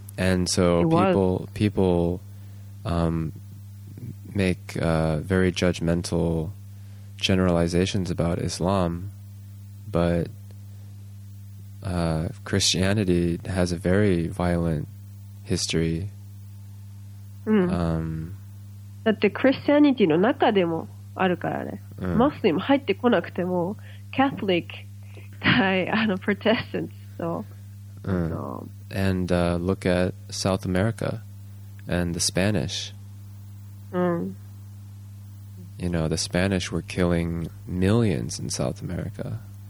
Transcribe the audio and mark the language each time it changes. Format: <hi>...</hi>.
<en>And so people make very judgmental generalizations about Islam, but Christianity has a very violent history.</en> <ja>だってクリスチャニティの中でもあるからね。マスリム入ってこなくても、カトリック対あのプロテスタント、そう。</ja> <en>And look at South America and the Spanish. You know, the Spanish were killing millions in South America.</en>